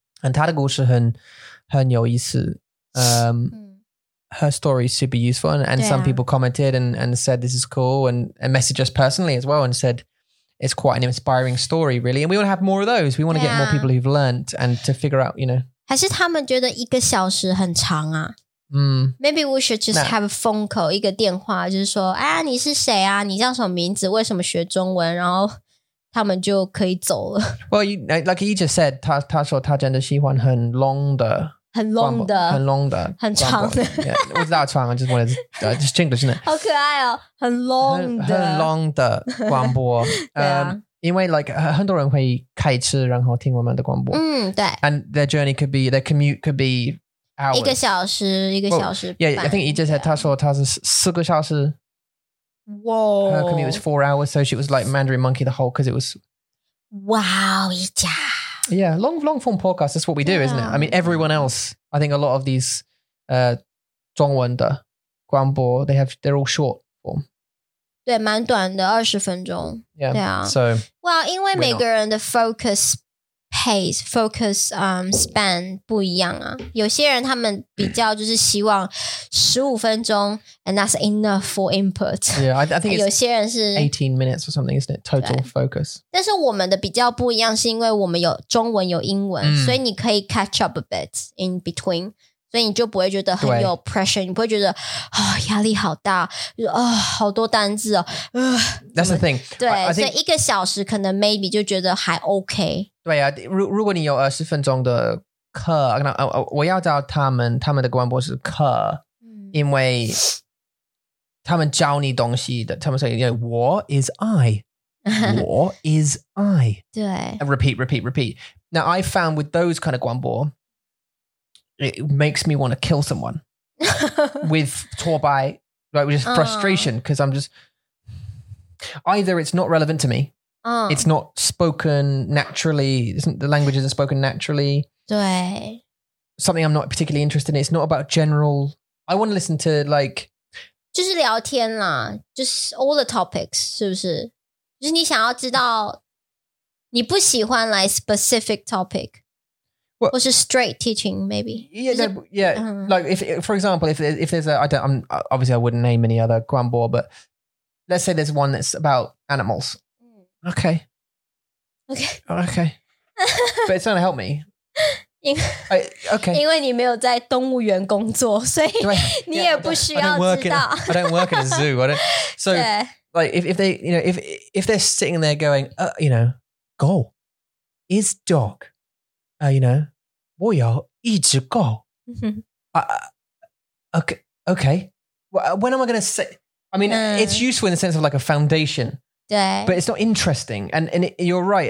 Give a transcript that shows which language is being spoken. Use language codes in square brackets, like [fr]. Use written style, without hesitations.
[en] And [zh] 她的故事很有意思. [en] Her story is super useful. And some people commented and said this is cool and messaged us personally as well and said it's quite an inspiring story, really. And we want to have more of those. We want to get more people who've learned and to figure out, you know. [zh] 还是他们觉得一个小时很长啊。 [en] Maybe we should just have a phone call, [zh] 一个电话就是说啊你是谁啊你叫什么名字为什么学中文然后他们就可以走了。 [en] Well, like he just said, [zh] 他说他真的喜欢很 long 的。很 long 的。很 long 的。很长的。我知道长 [en] I just wanted to, just change it, isn't it? [zh] 好可爱哦很 long 的。很 long 的广播。对啊。因为 like 很多人会开车然后听我们的广播。对。 [en] And their journey could be, their commute could be, hours. [zh] 一个小时半, [en] yeah, I think he just said [zh] 他说他是四个小时. [en] Whoa. Her commute was 4 hours, so she was like Mandarin Monkey the whole, because it was... Wow, yeah, long form podcast, that's what we do, yeah. Isn't it? I mean, everyone else, I think a lot of these 中文的, 广播, they're all short form. [zh] 对,蛮短的, 20分钟. [en] Yeah. Yeah. So, [zh] well, 因为每个人的 focus pace, focus span 不一样啊, 有些人他们比较就是希望 15分钟, [en] and that's enough for input. Yeah, I think it's [zh] 有些人是, [en] 18 minutes or something, isn't it? Total focus. [zh] 但是我们的比较不一样是因为我们有中文有英文, mm. 所以你可以 [en] catch up a bit in between. [zh] 所以你就不会觉得很有 pressure, 你不会觉得压力好大, 好多单字哦, [en] That's the thing. [zh] 对,所以一个小时可能 maybe 就觉得还OK。对啊,如果你有20分钟的课, 我要找他们的广播是课, 因为他们教你东西的, 他们说, [en] what is I? What is I? 对。 Repeat, repeat, repeat. Now, I found with those kind of 广播, it makes me want to kill someone with 拖把, like with just frustration, because I'm just, either it's not relevant to me, it's not spoken naturally, isn't the language isn't spoken naturally, something I'm not particularly interested in, it's not about general, I want to listen to like, [zh] 就是聊天啦, [en] just all the topics, [zh] 是不是? 就是你想要知道, 你不喜欢 [en] like specific topic, well, was a straight teaching, maybe. Yeah, no, yeah. Like, if for example, if there's a, I don't, I'm obviously I wouldn't name any other guanbo, but let's say there's one that's about animals. Okay. Okay. Okay. But it's not gonna help me. Okay. [zh] 因为你没有在动物园工作，所以你也不需要知道。 [en] I don't work in a zoo. I don't. So, like, if they, you know, if they're sitting there going, you know, go, is dog. [zh] You know, 我要一直go. [en] Okay. Well, when am I going to say? I mean, it's useful in the sense of like a foundation, but it's not interesting. And it, you're right.